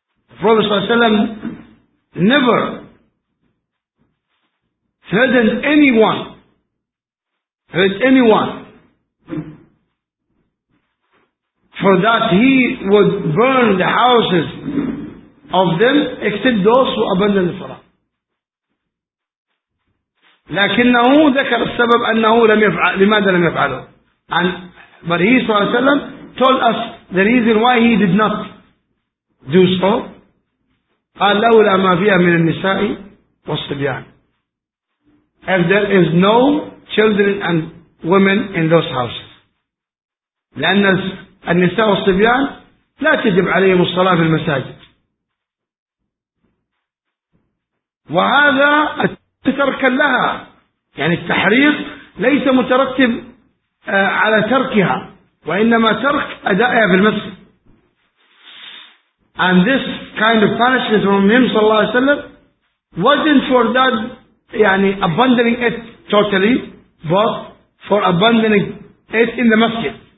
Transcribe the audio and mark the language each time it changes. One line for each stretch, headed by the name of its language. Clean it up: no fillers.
English: The Prophet صلى الله عليه وسلم never threatened anyone. There is anyone for that he would burn the houses of them except those who abandon the salah.
Arabic: لكنه ذكر السبب أنه لم يفعل لماذا لم يفعله.
English: And but he صلى الله عليه وسلم told us the reason why he did not do so.
Arabic: قال لولا ما فيها من النساء والصبيان.
English: If there is no children and women in those houses.
Arabic: لأن النساء والصبيان لا تجب عليهم الصلاة في المساجد. وهذا تركا لها. يعني التحريق ليس مترتب على تركها. وإنما ترك أدائها في المسجد.
English: And this kind of punishment from him صلى الله عليه وسلم wasn't for that يعني abandoning it totally but for abandoning it in the masjid.